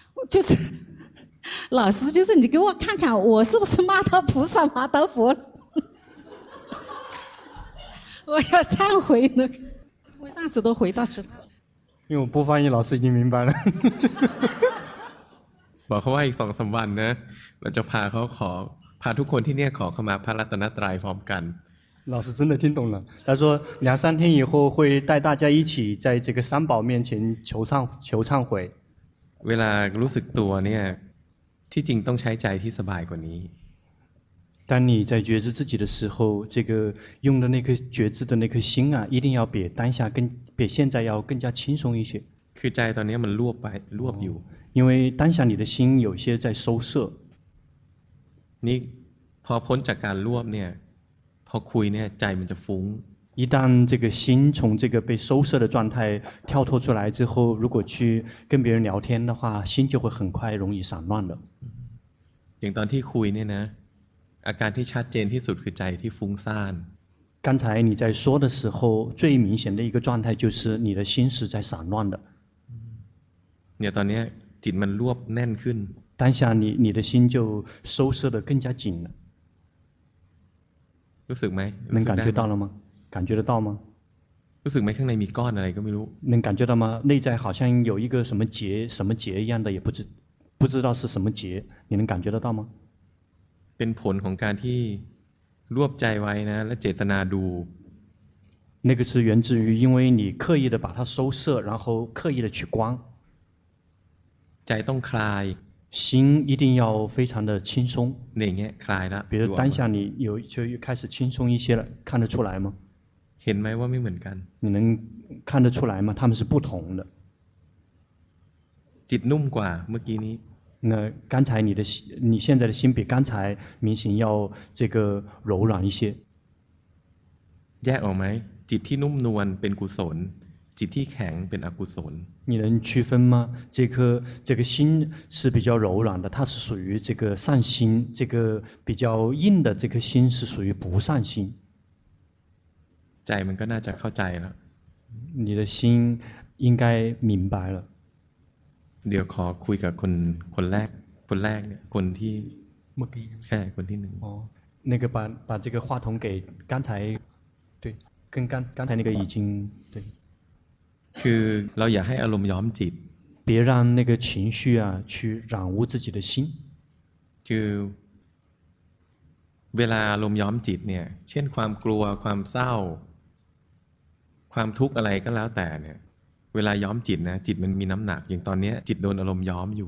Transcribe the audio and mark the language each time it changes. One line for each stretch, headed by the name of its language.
Chinese: 就是老师就是你给我看看我是不是骂到菩萨骂到佛我要忏悔那个我上次都回到是因为我不翻译老师已经明白了
Thai: บอกเขาว่าอีกสองสามวันนะเราจะพาเขาขอพาทุกคนที่เนี่ยขอเข้ามาพระรัตนตรัยพร้อมกัน
Chinese: 老师真的听懂了他说两三天以后会带大家一起在这个三宝面前求忏悔
Thai: เวลารู้สึกตัวเนี่ยที่จริงต้องใช้ใจที่สบายกว่านี้
Chinese: 当你在觉知自己的时候这个用的那颗觉知的那颗心啊一定要比当下更比现在要更加轻松一些
Thai: คือใจตอนนี้มันรวบไปรวบอยู่
Chinese: 因为当下你的心有些在收摄你
Thai: พอพ้นจากการรวบเนี่ยพอคุยเนี่ยใจมันจะฟุ้ง
Chinese: 一旦这个心从这个被收摄的状态跳脱出来之后如果去跟别人聊天的话心就会很快容易散乱的
Thai: อย่างตอนที่คุยเนี่ยนะอาการที่ชัดเจนที่สุดคือใจที่ฟุ้งซ่าน
Chinese: 刚才你在说的时候最明显的一个状态就是你的心是在散乱的
Thai: เนี่ยตอนนี้จิตมันรวบแน่นขึ้น
Chinese: 当下你的心就收摄得更加紧了
Thai: รู้สึกไหม
Chinese: 能感觉到了吗感觉得到吗
Thai: รู้สึกไหมข้างในมีก้อนอะไรก็ไม่รู้
Chinese: 能感觉到吗内在好像有一个什么结什么结一样的也不知道是什么结你能感觉得到吗
Thai: เป็นผลของการที่รวบใจไว้นะและเจตนาดู
Chinese: 那个是源自于因为你刻意的把它收摄然后刻意的去观
Thai: ใจต้องคลาย
Chinese: 心一定要非常的轻松那样
Thai: คลายละ
Chinese: 比如当下你有就开始轻松一些了看得出来吗
Thai: เห็นไหมว่าไม่เหมือนกัน
Chinese: 你能看得出来吗他们是不同的
Thai: จิตนุ่มกว่าเมื่อกี้นี้
Chinese: 那刚才你现在的心比刚才明显要这个柔软一些
Thai: แยกออกไหมจิตที่นุ่มนวลเป็นกุศลจิตที่แข็งเป็นอกุศล
Chinese: 你能区分吗这个心是比较柔软的它是属于这个善心这个比较硬的这颗心是属于不善心
Thai: ใจมันก็น่าจะเข้าใจแล้ว
Chinese: 你的心应该明白了
Thai: เดี๋ยวขอคุยกับคนแรกเนี่ยคนที่เมื่อกี้ ใช่คนที่หนึ่ง
Chinese: อ๋อ那个把这个话筒给刚才对跟刚才那个已经对
Thai: คือเราอย่าให้อารมณ์ย้อมจิต
Chinese: 别让那个情绪啊去染污自己的心
Thai: คือเวลาอารมณ์ย้อมจิตเนี่ยเช่นความกลัวความเศร้าความทุกข์อะไรก็แล้วแต่เนี่ยเวลาย้อมจิตนะจิตมันมีน้ำหนักอย่างตอนนี้จิตโดนอารมณ์ย้อมอยู